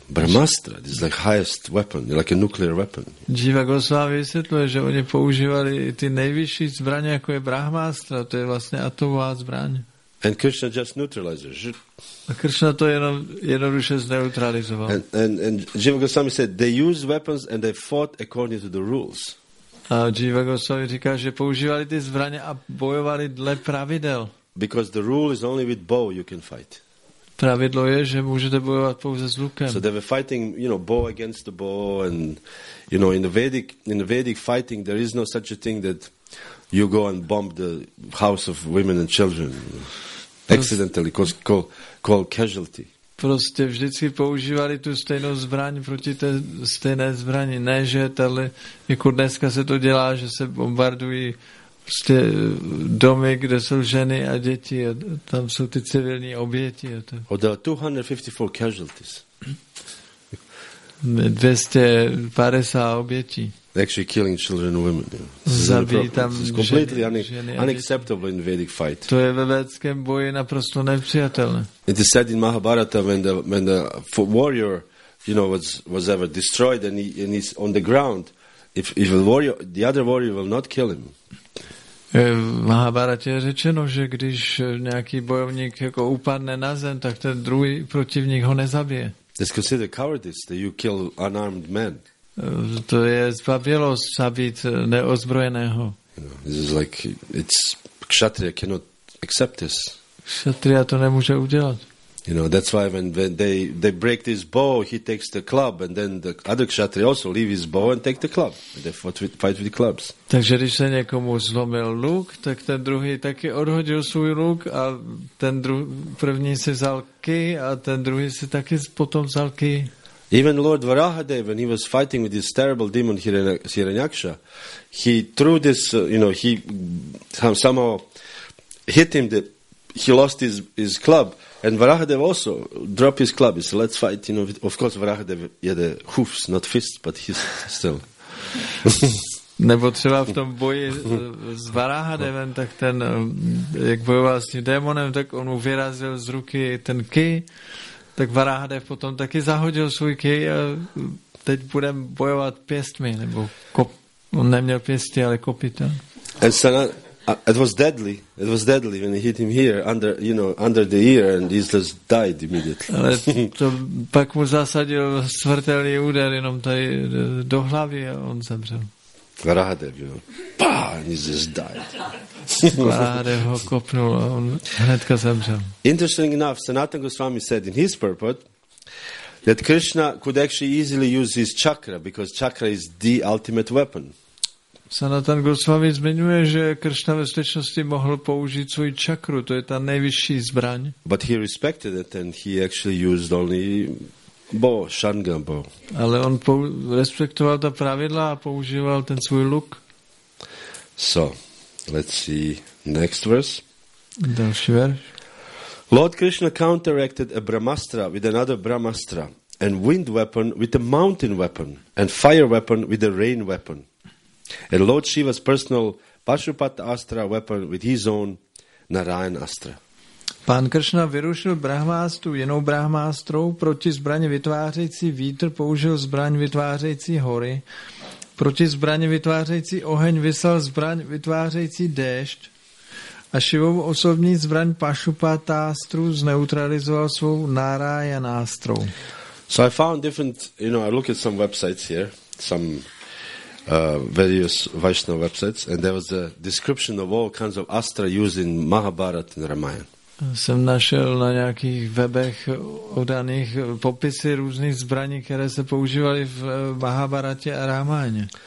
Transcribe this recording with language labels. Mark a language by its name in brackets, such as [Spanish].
[English] Brahmastra, this is like highest weapon, like a nuclear weapon. [Czech] Jiva Goswami vysvětluje, že oni používali ty nejvyšší zbraně, jako je Brahmastra, to je vlastně atomová zbraň. [English] And Krishna just neutralizes. [Czech] A Krishna to jenom jednoduše zneutralizoval. [English] And Jiva Goswami said they use weapons and they fought according to the rules. [Czech] A Jiva Goswami říká, že používali ty zbraně a bojovali dle pravidel. [English] Because the rule is only with bow you can fight. [Czech] Pravidlo je, že můžete bojovat pouze s lukem. [English] So they were fighting, you know, bow against the bow, and you know, in the Vedic fighting, there is no such a thing that you go and bomb the house of women and children accidentally, call casualty. [Czech] Prostě vždycky používali tu stejnou zbraň proti té stejné zbraní, ne že tady, jako dneska se to dělá, že se bombardují prostě domy, kde jsou ženy a děti a tam jsou ty civilní oběti. A to. [English] Oh, there are 254 casualties. [Czech] 250 obětí. [English] actually killing children and women. You know. [Czech] Zabíjí tam ženy. [English] Completely unacceptable in Vedic fight. [Czech] To je ve vedském boji naprosto nepřijatelné. [English] It is said in Mahabharata when the warrior, you know, was ever destroyed and he's on the ground, if a warrior, the other warrior will not kill him. [Czech] V Mahabharatě je řečeno, že když nějaký bojovník jako upadne na zem, tak ten druhý protivník ho nezabije. [English] It's considered cowardice that you kill unarmed men. [Czech] To je zbabělost zabít neozbrojeného. [English] You know, this is like it's kshatriya cannot accept this. [Czech] Kshatriya to nemůže udělat. [English] You know, that's why when they break this bow, he takes the club, and then the other kshatriya also leave his bow and take the club. They fight with the clubs. [Czech] Takže když se někomu zlomil luk, tak ten druhý taky odhodil svůj luk a ten první si vzal ký a ten druhý si taky potom vzal ký. [English] Even Lord Varahadev, when he was fighting with this terrible demon Hiranyaksha, he threw this, you know, he somehow hit him, he lost his club. And Varahadev also dropped his club. He said, let's fight, you know. Of course, Varahadev had the hoofs, not fists, but he's still. [Czech] Nebo třeba v tom boji s Varahadevem, tak ten, jak bojoval s tím démonem, tak on mu vyrazil z ruky ten ký. Tak Varahadev potom taky zahodil svůj ký a teď budem bojovat pěstmi, nebo on neměl pěsti, ale kopita. [English] And it was deadly. It was deadly when he hit him here under, you know, under the ear, and he just died immediately. [Czech] Ale to pak mu zasadil smrtelný úder jenom tady do hlavy a on zemřel. [English] Varahadev, you know, bah, and he just died. [Czech] Varahadev ho kopnul a on hnedka zemřel. [English] Interesting enough, Sanatana Goswami said in his purport that Krishna could actually easily use his chakra because chakra is the ultimate weapon. [Czech] Sanatan Goswami zmiňuje, že Krishna ve skutečnosti mohl použít svůj čakru, to je ta nejvyšší zbraň. [English] But he respected it and he actually used only bo, shangam bo. [Czech] Ale on respektoval ta pravidla a používal ten svůj luk. [English] So, let's see next verse. [Czech] Další verš. [English] Lord Krishna counteracted a brahmastra with another brahmastra and wind weapon with a mountain weapon and fire weapon with a rain weapon. And Lord Shiva's personal Pashupata Astra weapon with his own Narayan Astra. [Czech] Pán Krishna vyrušil Brahmástru jinou Brahmástrou proti zbraně vytvářející vítr, použil zbraň vytvářející hory. Proti zbraně vytvářející oheň vyslal zbraň vytvářející déšť. A Shivou osobní zbraň Pashupata Astru zneutralizoval svou Narayan Astrou. [English] So I found different, you know, I look at some websites here, various Vaishnava websites, and there was a description of all kinds of astra used in Mahabharata and Ramayana. [Czech] Jsem našel na nějakých webech udaných popisy různých zbraní, které se používaly v Mahabharatě a Ramayaně.